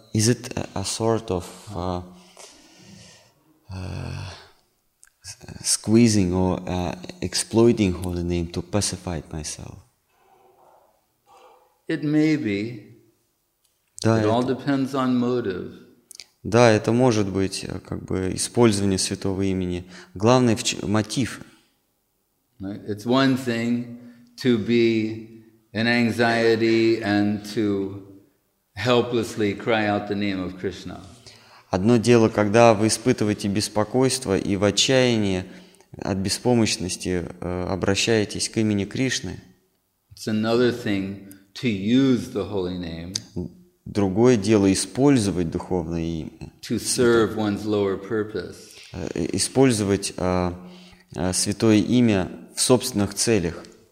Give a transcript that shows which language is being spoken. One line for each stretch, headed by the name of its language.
English: Is it a sort of squeezing or exploiting holy name to pacify myself? It may be.
Russian: Да,
English: it all depends on motive.
Russian: Да, это может быть как бы использование святого имени. Главное мотив.
English: Right? It's one thing to be in anxiety and to helplessly cry out the name of Krishna.
Russian: Одно дело, когда вы испытываете беспокойство и в отчаянии от беспомощности обращаетесь к имени Кришны.
English: It's another thing to use the holy name.
Russian: Другое дело использовать духовное имя.
English: To serve one's lower purpose.
Russian: Использовать святое имя в собственных целях.